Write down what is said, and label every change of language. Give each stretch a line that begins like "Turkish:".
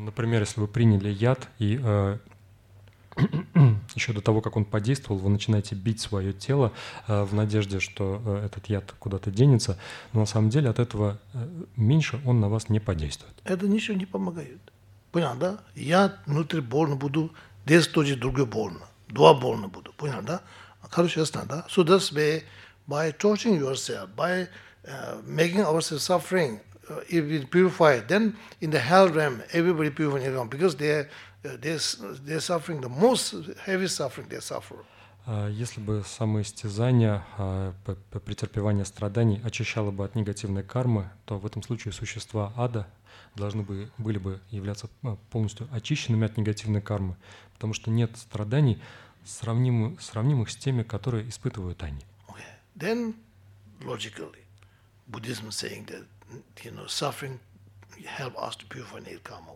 Russian: Например, если вы приняли яд, и еще до того, как он подействовал, вы начинаете бить свое тело в надежде, что этот яд куда-то денется, но на самом деле от этого меньше он на вас не подействует. Это ничего не помогает. Понял, да? Я внутри больно буду, здесь тоже другое больно. Два больно буду. Понял, да? Короче, ясно, да?
English: So that's why, by torturing yourself, by making ourselves suffering, if it purified, then in the hell realm, everybody purified nirvana, because they're suffering the most heavy suffering they suffer.
Russian: Если бы самоистязание, претерпевание страданий очищало бы от негативной кармы, то в этом случае существа ада должны бы, были бы являться полностью очищенными от негативной кармы, потому что нет страданий, сравнимых с теми, которые испытывают они.
English: Okay. Then, logically, Buddhism saying that, you know, suffering help us to purify negative karma.